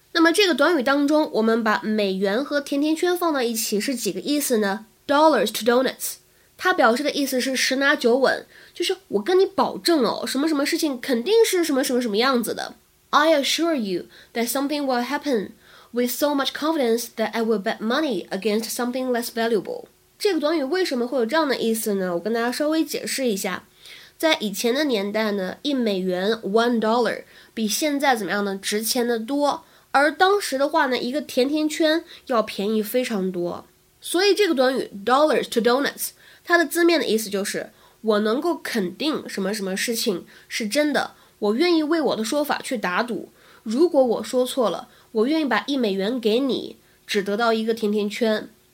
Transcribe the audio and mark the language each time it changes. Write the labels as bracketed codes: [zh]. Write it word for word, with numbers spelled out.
[zh] 那么这个短语当中，我们把美元和甜甜圈放到一起是几个意思呢 ？Dollars to donuts， 它表示的意思是十拿九稳，就是我跟你保证哦，什么什么事情肯定是什么什么什么样子的。 [en] I assure you that something will happen with so much confidence that I will bet money against something less valuable。 [zh] 这个短语为什么会有这样的意思呢？我跟大家稍微解释一下。在以前的年代呢，一美元 one dollar 比现在怎么样呢？值钱的多。而当时的话呢，一个甜甜圈要便宜非常多，所以这个短语 dollars to donuts 它的字面的意思就是我能够肯定什么什么事情是真的，我愿意为我的说法去打赌，如果我说错了，我愿意把一美元给你，只得到一个甜甜圈。